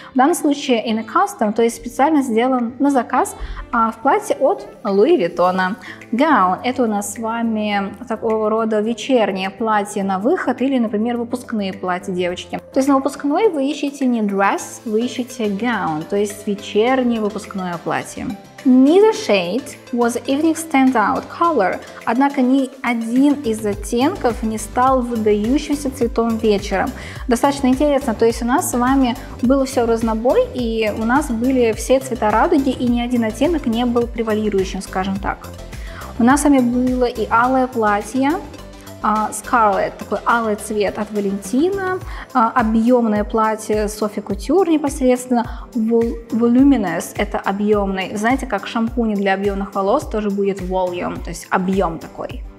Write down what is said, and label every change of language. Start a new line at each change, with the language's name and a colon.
Russian: В данном случае
English: in a custom,
Russian: то есть специально сделан на заказ в платье от Louis Vuitton. Gown – это у нас с вами такого рода вечернее платье на выход или, например, выпускные платья девочки. То есть на выпускной вы ищете не dress, вы ищете gown, то есть вечернее выпускное платье.
English: Neither shade was evening standout color.
Russian: Однако ни один из оттенков не стал выдающимся цветом вечером. Достаточно интересно, то есть у нас с вами было все разнобой, и у нас были все цвета радуги, и ни один оттенок не был превалирующим, скажем так. У нас с вами было и алое платье, Scarlet, такой алый цвет от Валентина, объемное платье Софи Кутюр непосредственно, Voluminous, это объемный, знаете, как шампунь для объемных волос, тоже будет Volume, то есть объем такой.